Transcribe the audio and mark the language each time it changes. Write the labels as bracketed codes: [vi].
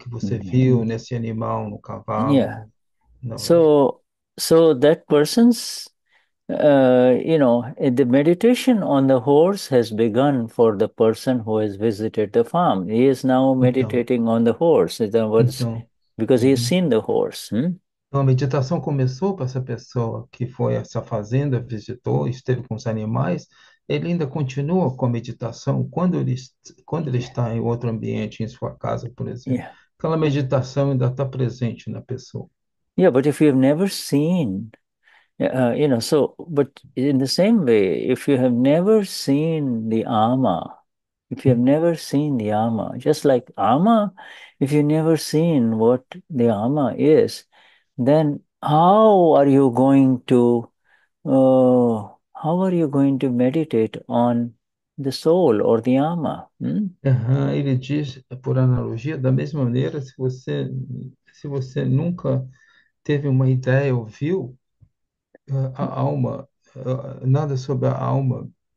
[pt] O que você viu nesse animal, no cavalo, não é? [en] So that person's, you know, the meditation on the horse has begun for the person who has visited the farm. He is now meditating on the horse, in other words, because he has seen the horse. [pt] Então, a meditação começou para essa pessoa que foi a essa fazenda, visitou, esteve com os animais. Ele ainda continua com a meditação quando ele está em outro ambiente, em sua casa, por exemplo. Aquela meditação ainda está presente na pessoa. [en] But if you have never seen, you know, but in the same way, if you have never seen the ama, if you have never seen the ama, just like ama, if you never seen what the ama is, then how are you going to meditate on the soul or the ama? [pt] Ele diz, por analogia, da mesma maneira, se você nunca teve uma ideia ou viu a alma, nada sobre a alma,